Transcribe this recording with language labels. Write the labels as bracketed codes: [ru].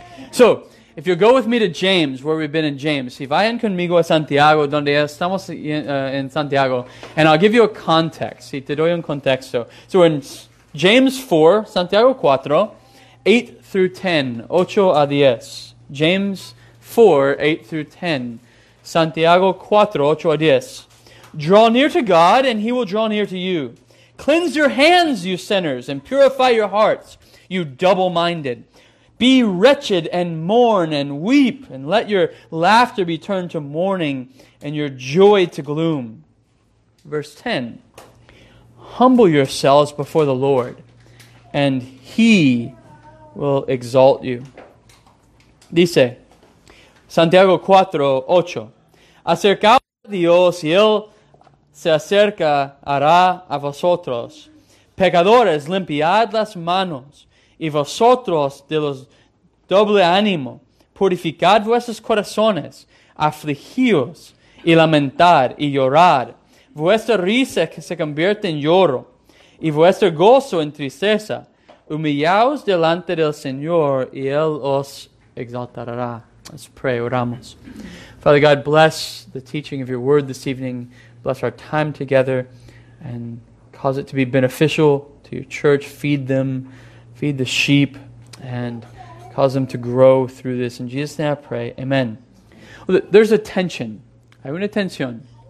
[en] So, if you go with me to James, where we've been in James. [es] Si vayan conmigo a Santiago, donde estamos en Santiago. [en] And I'll give you a context. [es] Si te doy un contexto. [en] So, in James 4, Santiago 4, 8 through 10, 8 a 10. James 4, 8 through 10. Santiago 4, 8 a 10. Draw near to God, and He will draw near to you. Cleanse your hands, you sinners, and purify your hearts, you double-minded. Be wretched and mourn and weep, and let your laughter be turned to mourning and your joy to gloom. Verse 10. Humble yourselves before the Lord, and He will exalt you. [es] Dice, Santiago 4, 8. Acercaos a Dios y Él se acercará a vosotros. Pecadores, limpiad las manos, y vosotros de los doble ánimo, purificad vuestros corazones, afligíos y lamentad y llorad. Vuestra risa que se convierte en lloro, y vuestro gozo en tristeza. Humillaos delante del Señor, y Él os exaltará. [en] Let's pray, oramos. Father God, bless the teaching of your word this evening. Bless our time together, and cause it to be beneficial to your church. Feed them, feed the sheep, and cause them to grow through this. In Jesus' name I pray, amen. Well, there's a tension. [es] Hay una tensión.